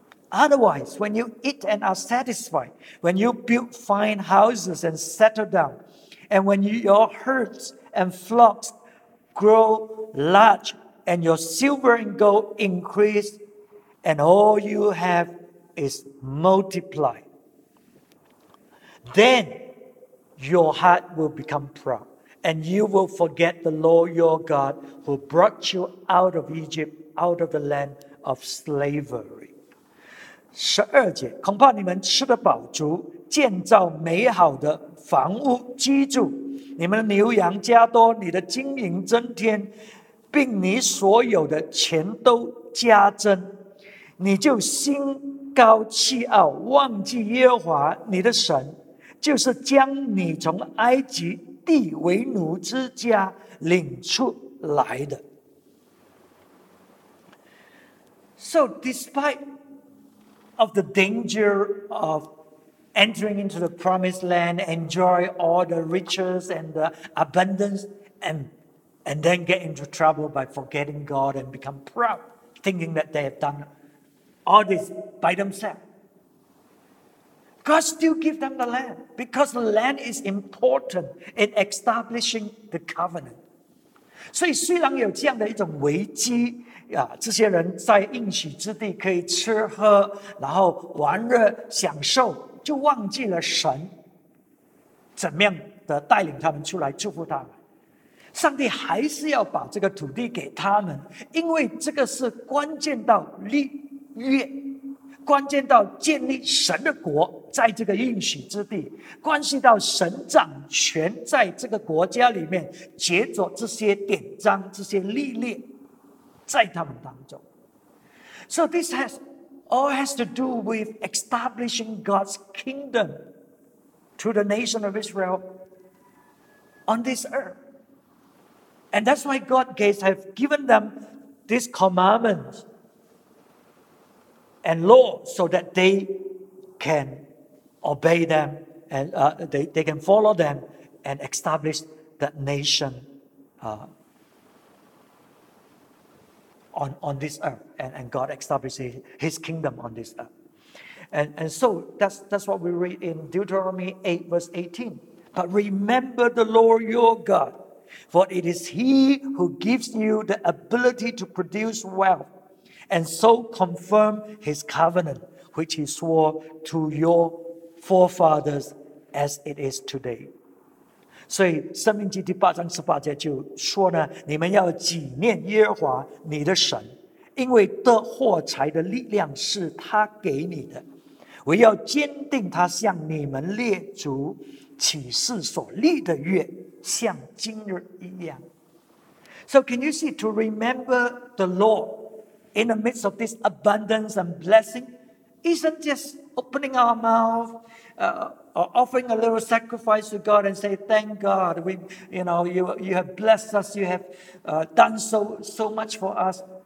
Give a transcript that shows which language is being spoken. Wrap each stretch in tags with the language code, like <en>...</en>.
<en>Otherwise, when you eat and are satisfied, when you build fine houses and settle down, and when your herds and flocks grow large, and your silver and gold increase, and all you have is multiplied, then your heart will become proud, and you will forget the Lord your God who brought you out of Egypt, out of the land of slavery.</en> <zh>十二节，恐怕你们吃得饱足，建造美好的房屋居住，你们的牛羊加多，你的金银增添，并你所有的钱都加增，你就心高气傲，忘记耶和华你的神，就是将你从埃及地为奴之家领出来的。</zh> <en>So despiteof the danger of entering into the promised land, enjoy all the riches and the abundance, and then get into trouble by forgetting God and become proud, thinking that they have done all this by themselves. God still gives them the land, because the land is important in establishing the covenant.</en> <zh>所以虽然有这样的一种危机，这些人在应许之地可以吃喝然后玩乐享受，就忘记了神怎么样的带领他们出来祝福他们，上帝还是要把这个土地给他们，因为这个是关键到立约，关键到建立神的国在这个应许之地，关系到神掌权在这个国家里面，藉着这些典章这些立例在他们当中。</zh> <en>So this has all has to do with establishing God's kingdom to the nation of Israel on this earth. And that's why God have given them this commandment and law so that they can obey them and they can follow them and establish that nation on this earth, and God establishes his kingdom on this earth. And so that's what we read in Deuteronomy 8, verse 18. But remember the Lord your God, for it is he who gives you the ability to produce wealth, and so confirm his covenant, which he swore to your forefathers as it is today.</en> <zh>所以生命记第八章十八节就说呢，你们要纪念耶和华你的神，因为得获财的力量是他给你的，唯要坚定他向你们列祖启示所立的约，像今日一样。</zh> <en>So can you see, to remember the Lord in the midst of this abundance and blessing isn't just opening our mouth or offering a little sacrifice to God and say, thank God, you have blessed us, you have done so much for us.</en>